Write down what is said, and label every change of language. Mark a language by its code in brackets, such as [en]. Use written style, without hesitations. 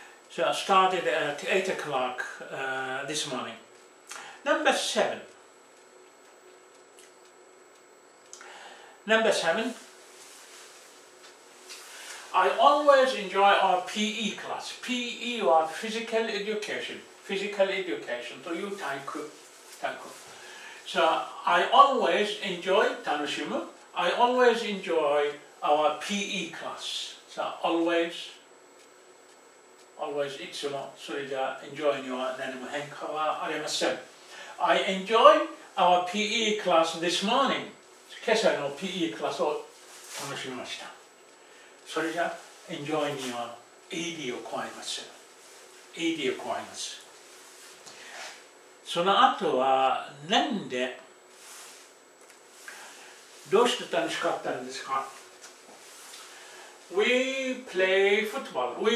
[en] So I started at 8 o'clock、this morning. Number seven. I always enjoy our PE class. PE は physical education. [ja] Physical education という体育。 [en] So, I always enjoy, [ja] 楽しむ, [en] I always enjoy our PE class. So, always, [ja] いつも, それじゃ enjoy には何も変化はありません. [en] I enjoy our PE class this morning. [ja] 今朝の PE class を楽しみました.それじゃ enjoy には ED を加えます. ED を加えます.その後は、なんで、どうして楽しかったんですか ? [en] We play football.